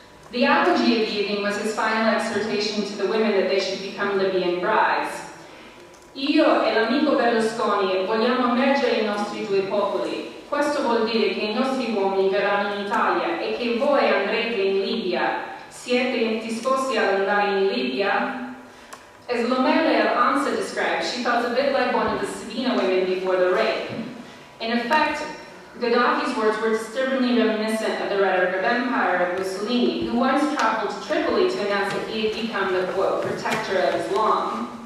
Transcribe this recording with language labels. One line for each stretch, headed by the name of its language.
English: The apogee of the evening was his final exhortation to the women that they should become Libyan brides.
Italian: Io e l'amico Berlusconi vogliamo mergere i nostri due popoli. Questo vuol dire che i nostri uomini verranno in Italia e che voi andrete in Libia. Siete disposti ad andare in Libia?
English: As Lomele of ANSA described, she felt a bit like one of the Sabina women before the rape. In effect, Gaddafi's words were disturbingly reminiscent of the rhetoric of Empire of Mussolini, who once traveled to Tripoli to announce that he had become the, quote, protector of Islam.